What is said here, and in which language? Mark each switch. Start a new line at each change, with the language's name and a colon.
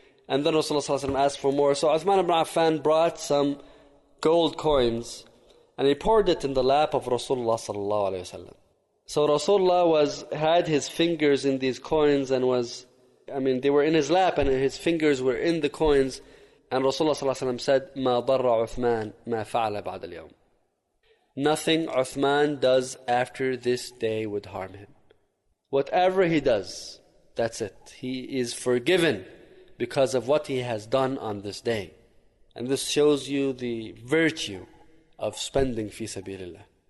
English: And then Rasulullah ﷺ asked for more, so Uthman ibn Affan brought some gold coins and he poured it in the lap of Rasulullah ﷺ. So Rasulullah had his fingers in these coins and they were in his lap and his fingers were in the coins. And Rasulullah ﷺ said,
Arabic: مَا ضَرَّ عُثْمَان مَا فَعَلَ بَعْدَ الْيَوْمِ.
English: Nothing Uthman does after this day would harm him. Whatever he does, that's it. He is forgiven because of what he has done on this day. And this shows you the virtue of spending fi sabilillah.